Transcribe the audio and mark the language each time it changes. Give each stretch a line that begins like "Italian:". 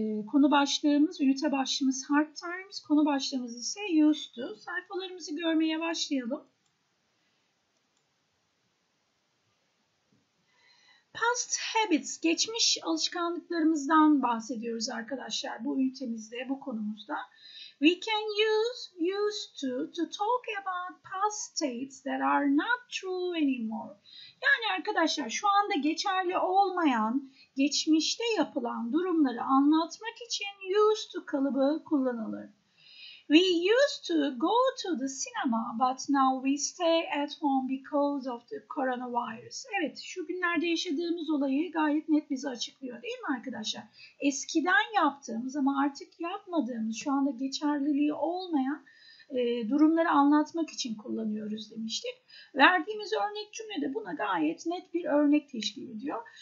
Turkish: Konu başlığımız, ünite başlığımız Hard Times, konu başlığımız ise Used'u. Sayfalarımızı görmeye başlayalım. Past Habits, geçmiş alışkanlıklarımızdan bahsediyoruz arkadaşlar bu ünitemizde, bu konumuzda.
English: We can use used to talk about past states that are not true anymore.
Turkish: Yani arkadaşlar, şu anda geçerli olmayan, geçmişte yapılan durumları anlatmak için used to kalıbı kullanılır.
English: We used to go to the cinema but now we stay at home because of the coronavirus.
Turkish: Evet, şu günlerde yaşadığımız olayı gayet net bize açıklıyor değil mi arkadaşlar? Eskiden yaptığımız ama artık yapmadığımız, şu anda geçerliliği olmayan durumları anlatmak için kullanıyoruz demiştik. Verdiğimiz örnek cümle de buna gayet net bir örnek teşkil ediyor.